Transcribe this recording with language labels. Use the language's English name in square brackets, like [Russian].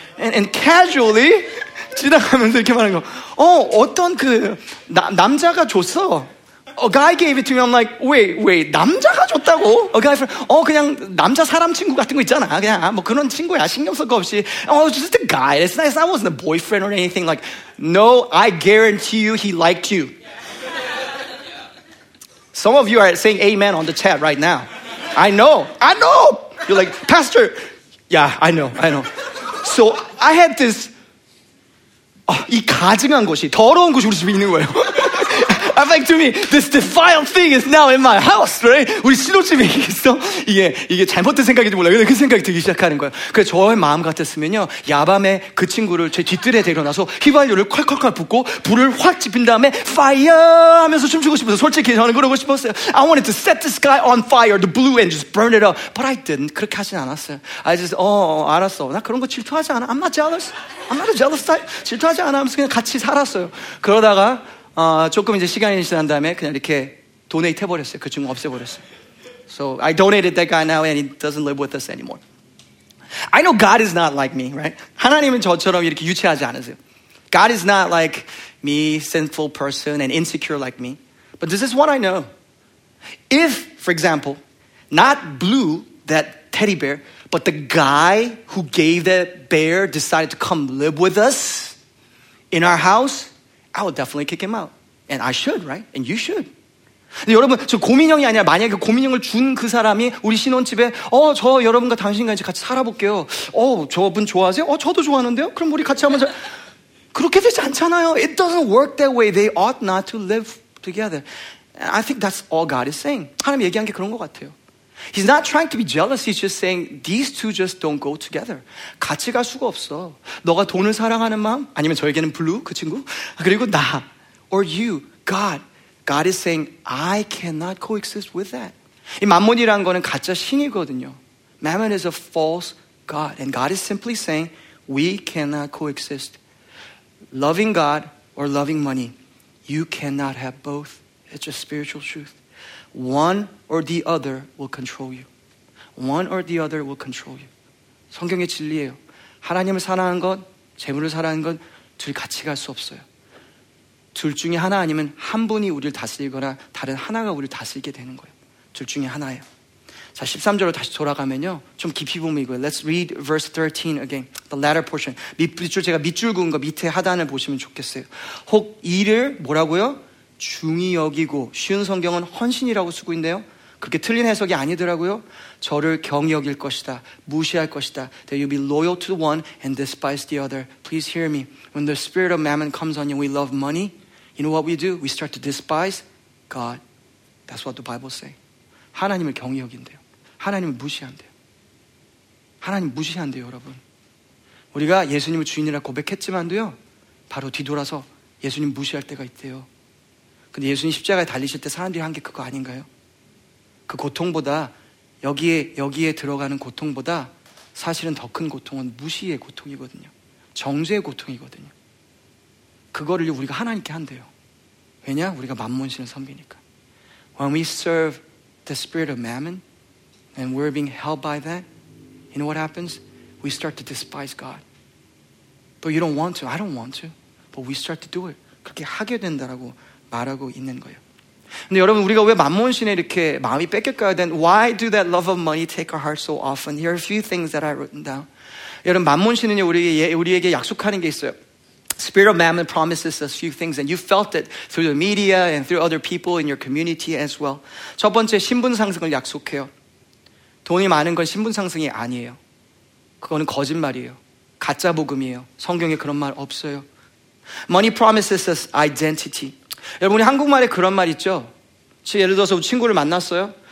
[English] And casually [Korean] 지나가면서 이렇게 말한 거. 어떤 그 남자가 줬어. [English] A guy gave it to me. I'm like, wait, [Korean] 남자가 줬다고? [English] A guy from, [Korean] 그냥 남자 사람 친구 같은 거 있잖아. 그냥 뭐 그런 친구야. 신경 쓸 거 없이. [English] Oh, it's just a guy. It's not, I wasn't a boyfriend or anything. Like, no, I guarantee you he liked you. Some of you are saying amen on the chat right now. I know. You're like, pastor. Yeah, I know. So I had this, [Korean] 이 가증한 것이, 더러운 것이 우리 집에 있는 거예요. [English] I'm like, to me, this defiled thing is now in my house, right? [Korean] 우리 신혼집에 있어? 이게 잘못된 생각인지 몰라요. 그 생각이 들기 시작하는 거예요. 그래서 저의 마음 같았으면요, 야밤에 그 친구를 제 뒤뜰에 데려놔서 휘발유를 콸콸콸 붓고 불을 확 지핀 다음에 fire 하면서 춤추고 싶어서 솔직히 저는 그러고 싶었어요. [English] I wanted to set this guy on fire, the blue, and just burn it up. But I didn't. [Korean] 그렇게 하진 않았어요. [English] I just, [Korean] 알았어. 나 그런 거 질투하지 않아. [English] I'm not jealous type. [Korean] 질투하지 않아 하면서 그냥 같이 살았어요. 그러다가, 조금 이제 시간이 지난 다음에 그냥 이렇게 도네이트 해버렸어요. 그 친구 없애버렸어요. [English] So I donated that guy now and he doesn't live with us anymore. I know God is not like me, right? [Korean] 하나님은 저처럼 이렇게 유치하지 않으세요. [English] God is not like me, sinful person and insecure like me. But this is what I know. If, for example, not Blue, that teddy bear, but the guy who gave that bear decided to come live with us in our house, I would definitely kick him out. And I should, right? And you should. [Korean] 근데 여러분, 저 곰인형이 아니라 만약에 곰인형을 준 그 사람이 우리 신혼집에 저 여러분과 당신과 이제 같이 살아볼게요. 저분 좋아하세요? 저도 좋아하는데요? 그럼 우리 같이 한번 그렇게 되지 않잖아요. [English] It doesn't work that way. They ought not to live together. And I think that's all God is saying. [Korean] 하나님 얘기한 게 그런 것 같아요. [English] He's not trying to be jealous. He's just saying these two just don't go together. [Korean] 같이 갈 수가 없어. 너가 돈을 사랑하는 마음, 아니면 저에게는 블루 그 친구, 그리고 나, [English] or you, God. God is saying I cannot coexist with that. [Korean] 이 만몬이라는 거는 가짜 신이거든요. [English] Mammon is a false god. And God is simply saying, we cannot coexist. Loving God or loving money, you cannot have both. It's a spiritual truth. One or the other will control you. One or the other will control you. [Korean] 성경의 진리예요. 하나님을 사랑한 것, 재물을 사랑한 것, 둘 같이 갈 수 없어요. 둘 중에 하나 아니면 한 분이 우리를 다스리거나 다른 하나가 우리를 다스리게 되는 거예요. 둘 중에 하나예요. 자, 13절로 다시 돌아가면요. 좀 깊이 보면 이거예요. [English] Let's read verse 13 again. The latter portion. [Korean] 밑줄, 제가 밑줄 그은 거 밑에 하단을 보시면 좋겠어요. 혹 이를 뭐라고요? 중히 여기고, 쉬운 성경은 헌신이라고 쓰고 있네요. 그렇게 틀린 해석이 아니더라고요. 저를 경히 여길 것이다. 무시할 것이다. [English] That you'll be loyal to the one and despise the other. Please hear me. When the spirit of mammon comes on you, we love money. You know what we do? We start to despise God. That's what the Bible says. [Korean] 하나님을 경히 여긴대요. 하나님을 무시한대요. 하나님을 무시한대요, 여러분. 우리가 예수님을 주인이라 고백했지만도요, 바로 뒤돌아서 예수님 무시할 때가 있대요. 근데 예수님 십자가에 달리실 때 사람들이 한 게 그거 아닌가요? 그 고통보다, 여기에 들어가는 고통보다 사실은 더 큰 고통은 무시의 고통이거든요. 정죄의 고통이거든요. 그거를 우리가 하나님께 한대요. 왜냐? 우리가 만몬신을 섬기니까. [English] When we serve the spirit of mammon and we're being held by that, you know what happens? We start to despise God. But you don't want to. I don't want to. But we start to do it. [Korean] 그렇게 하게 된다라고 말하고 있는 거예요. 근데 여러분, 우리가 왜 만몬신에 이렇게 마음이 뺏길까요? [English] Then why do that love of money take our heart so often? Here are a few things that I've written down. [Korean] 여러분, 만몬신은요, 우리에게 약속하는 게 있어요. [English] Spirit of Mammon promises us a few things, and you felt it through the media and through other people in your community as well. [Korean] 첫 번째, 신분 상승을 약속해요. 돈이 많은 건 신분 상승이 아니에요. 그거는 거짓말이에요. 가짜 복음이에요. 성경에 그런 말 없어요. [English] Money promises us identity. [Korean] 여러분, 한국말에 그런 말 있죠? 예를 들어서 친구를 만났어요.